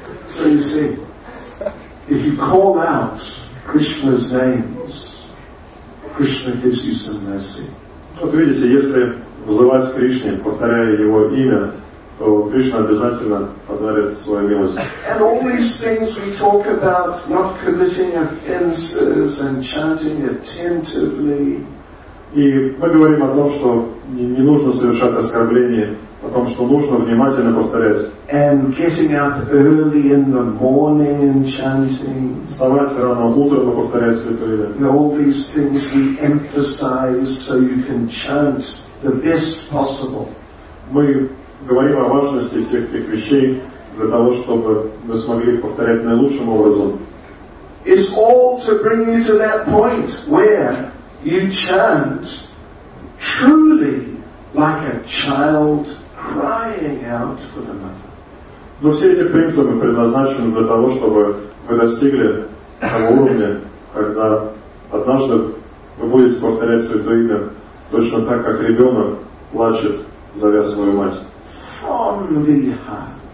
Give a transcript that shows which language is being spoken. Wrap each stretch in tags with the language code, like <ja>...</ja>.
<en>So you see, if you call out Krishna's names, Krishna gives you some mercy.</en> <ru>Вот видите, если вызывать Кришне, повторяя его имя, то Кришна обязательно подарит свою милость.</ru> <en>And all these things we talk about, not committing offenses and chanting attentively.</en> <ru>И мы говорим о том, что не нужно совершать оскорбления, о том, что нужно внимательно повторять.</ru> <en>And getting up early in the morning and chanting.</en> <ru>Вставать рано утром и повторять святое имя.</ru> <en>All these things we emphasize so you can chant the best possible.</en> <ru>Мы говорим о важности всех этих вещей для того, чтобы мы смогли их повторять наилучшим образом.</ru> <en>It's all to bring you to that point where you chant truly like a child crying out for the mother.</en> <ru>Но все эти принципы предназначены для того, чтобы вы достигли того уровня, когда однажды вы будете повторять святое имя точно так, как ребенок плачет, зовя свою мать.</ru> <en>From the heart.</en>